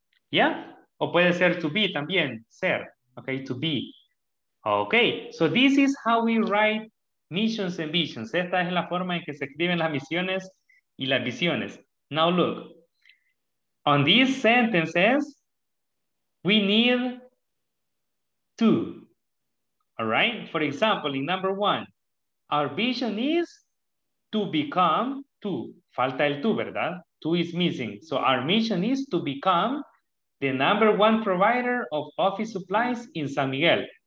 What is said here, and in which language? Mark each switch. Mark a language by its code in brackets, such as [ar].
[es] Yeah, o puede ser [en] to be [es] también, ser, okay, to be. [en] Okay, so this is how we write missions and visions. [es] Esta es la forma en que se escriben las misiones y las visiones. [en] Now look, on these sentences, we need two, all right? For example, in number one, our vision is to become two. [es] Falta el two, ¿verdad? [en] Two is missing. So our mission is to become the number one provider of office supplies in San Miguel.